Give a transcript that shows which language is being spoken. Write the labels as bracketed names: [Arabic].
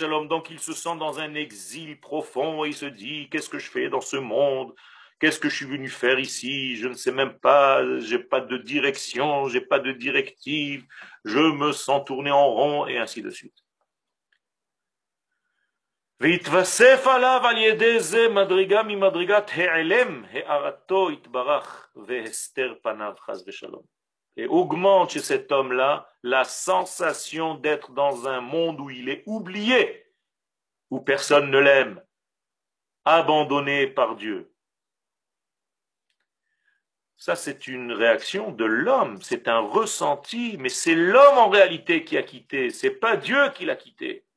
[French] Donc il se sent dans un exil profond et il se dit, qu'est-ce que je fais dans ce monde? Qu'est-ce que je suis venu faire ici? Je ne sais même pas, je n'ai pas de direction, je n'ai pas de directive, je me sens tourné en rond et ainsi de suite. [Hebrew] ויתווסף עליו על ידי זה מדרגה ממדרגת העלם, הערתו יתברך והסתר פניו חס ושלום. [French] Et augmente chez cet homme-là la sensation d'être dans un monde où il est oublié, où personne ne l'aime, abandonné par Dieu. Ça, c'est une réaction de l'homme, c'est un ressenti, mais c'est l'homme en réalité qui a quitté, c'est pas Dieu qui l'a quitté.